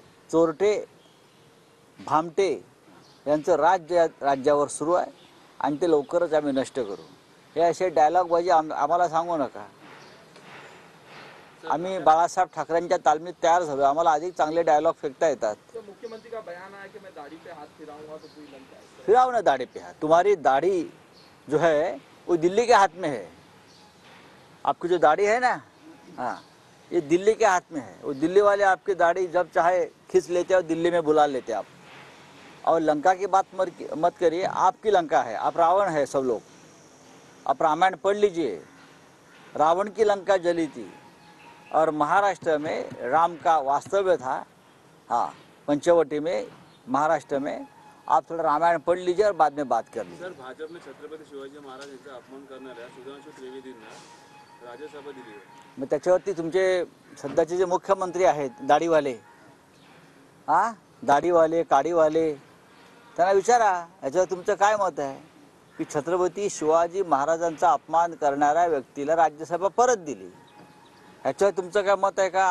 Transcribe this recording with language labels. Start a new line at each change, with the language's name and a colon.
Marathi: चोरटे भामटे यांचं राज्य राज्यावर सुरू आहे आणि ते लवकरच आम्ही नष्ट करू, हे असे डायलॉग बाजी आम्हाला सांगू नका। आम्ही बाळासाहेब ठाकरेंच्या तालमीत तयार झालो, आम्हाला अधिक चांगले डायलॉग फेकता येतात।
Hindi: मुख्यमंत्री का बयान आहे की मैं दाढ़ी पे हाथ फिराऊंगा तो कोई लंका है। फिराओ ना दाढ़ी पे हाथ, तुम्हारी दाढ़ी जो है वो दिल्ली के हाथ में है। आपकी जो दाढ़ी है ना, हाँ, ये दिल्ली के हाथ में है। वो दिल्ली वाले आपकी दाढ़ी जब चाहे खींच लेते हैं और दिल्ली में बुला लेते आप। और लंका की बात मत करिए, आपकी लंका है, आप रावण है सब लोग। आप रामायण पढ़ लीजिए, रावण की लंका जली थी और महाराष्ट्र में राम का वास्तव्य था। हाँ, पंचवटी में महाराष्ट्र में आप थोड़ा रामायण पढ़ लीजिए और बाद में बात कर लीजिए। सर, भाजपा ने
Marathi: छत्रपति शिवाजी महाराज यांचा अपमान करणाऱ्या सुधांशु त्रिवेदींना राज्यसभा दिली आहे। मग त्याच्यावरती तुमचे सध्याचे जे मुख्यमंत्री आहेत दाढीवाले, हां, दाढीवाले काडीवाले, त्यांना विचारा याच्यावर तुमचं काय मत आहे की छत्रपती शिवाजी महाराजांचा अपमान करणाऱ्या व्यक्तीला राज्यसभा परत दिली, याच्यावर तुमचं काय मत आहे का?